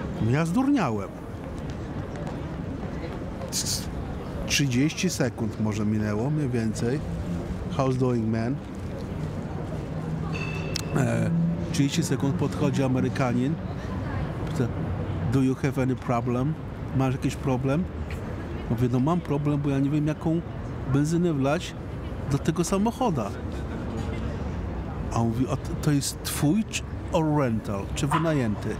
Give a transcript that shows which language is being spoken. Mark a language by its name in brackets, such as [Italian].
[Polish] Ja zdurniałem. 30 sekund może minęło, mniej więcej. How's doing, man? 30 sekund podchodzi Amerykanin. [English] Pyta, do you have any problem? [Polish] Masz jakiś problem? Mówię, no mam problem, bo ja nie wiem, jaką benzynę wlać do tego samochoda. A on mówi, a to jest twój or rental, czy wynajęty?